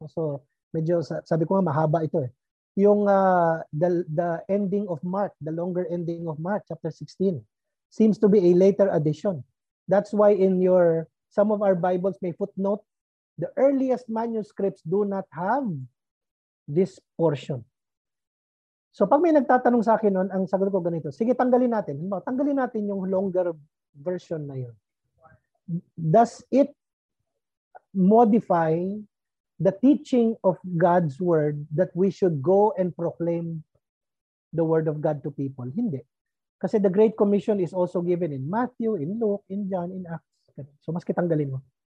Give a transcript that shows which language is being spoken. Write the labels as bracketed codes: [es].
[tl] So medyo sabi ko nga mahaba ito eh. [en] Yung the ending of Mark, the longer ending of Mark chapter 16 seems to be a later addition. That's why in your some of our Bibles may footnote the earliest manuscripts do not have this portion. [tl] So pag may nagtatanong sa akin noon, ang sagot ko ganito, sige tanggalin natin. Halimbawa, tanggalin natin yung longer version na yun. [en] Does it modify the teaching of God's word that we should go and proclaim the word of God to people? [tl] Hindi. Kasi [en] the Great Commission is also given in Matthew, in Luke, in John, in Acts. So [tl] maski tanggalin mo.